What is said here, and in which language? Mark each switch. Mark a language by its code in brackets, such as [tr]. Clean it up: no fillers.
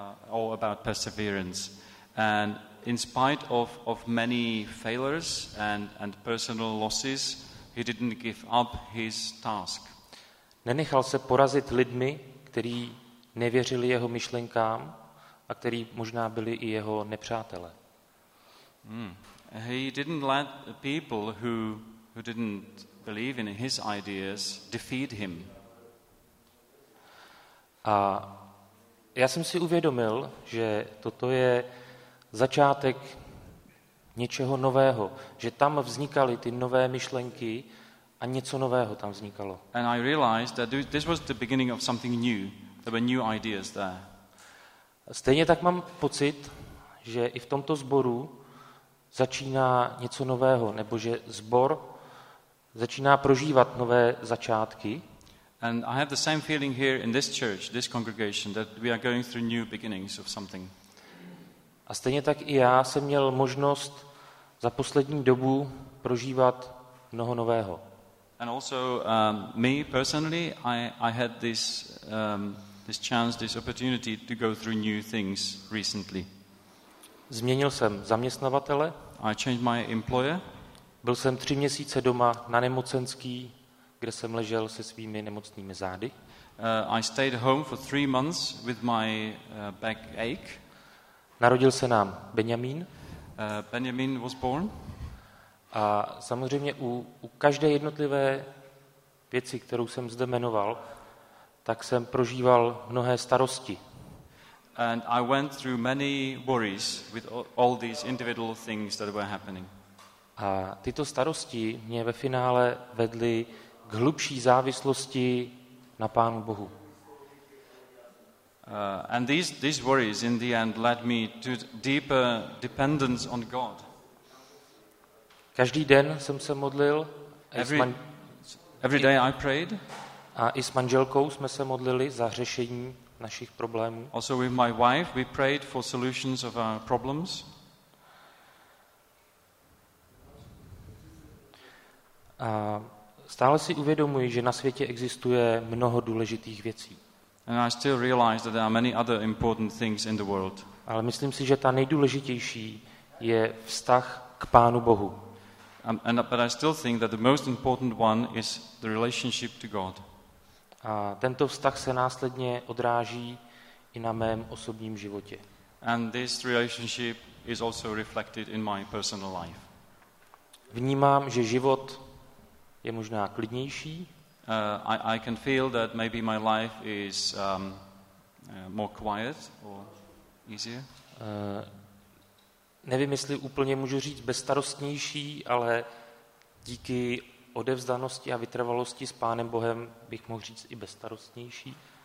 [en] All about perseverance, and in spite of many failures and personal losses, he didn't give up his task. [cs] Nenechal se porazit lidmi, kteří nevěřili jeho myšlenkám a kteří možná byli i jeho nepřátelé. [en] He didn't let people who didn't believe in his ideas defeat him. [cs] A já jsem si uvědomil, že toto je začátek něčeho nového, že tam vznikaly ty nové myšlenky a něco nového tam vznikalo. [en] And I realized that this was the beginning of something new. There were new ideas there. [cs] Stejně tak mám pocit, že i v tomto sboru začíná něco nového, nebo že sbor začíná prožívat nové začátky. [en] And I have the same feeling here in this church, this congregation, that we are going through new beginnings of something. [cs] A stejně tak i já jsem měl možnost za poslední dobu prožívat mnoho nového. [en] And also me personally, I had this chance, this opportunity to go through new things recently. [cs] Změnil jsem zaměstnavatele. [en] I changed my employer. [cs] Byl jsem 3 měsíce doma na nemocenský, kde jsem ležel se svými nemocnými zády. [en] I stayed home for 3 months with my back ache. [cs] Narodil se nám Benjamín. [en] Benjamin was born. [cs] A samozřejmě u každé jednotlivé věci, kterou jsem zde jmenoval, tak jsem prožíval mnohé starosti. [en] And I went through many worries with all these individual things that were happening. [cs] A tyto starosti mě ve finále vedly k hlubší závislosti na Pánu Bohu. [en] And these worries in the end led me to deeper dependence on God. [cs] Každý den jsem se modlil. [en] Every day I prayed. [cs] A i s manželkou jsme se modlili za řešení našich problémů. [en] Also with my wife we prayed for solutions of our problems. [cs] A stále si uvědomuji, že na světě existuje mnoho důležitých věcí. [en] And I still realize that there are many other important things in the world. [cs] Ale myslím si, že ta nejdůležitější je vztah k Pánu Bohu. [en] But I still think that the most important one is the relationship to God. [cs] A tento vztah se následně odráží i na mém osobním životě. [en] And this relationship is also reflected in my personal life. [cs] Vnímám, že život je možná klidnější. [en] I can feel that maybe my life is more quiet or easier. [cs] Nevím, jestli úplně můžu říct bezstarostnější, ale díky odevzdanosti a vytrvalosti s Pánem Bohem bych mohl říct i bezstarostnější.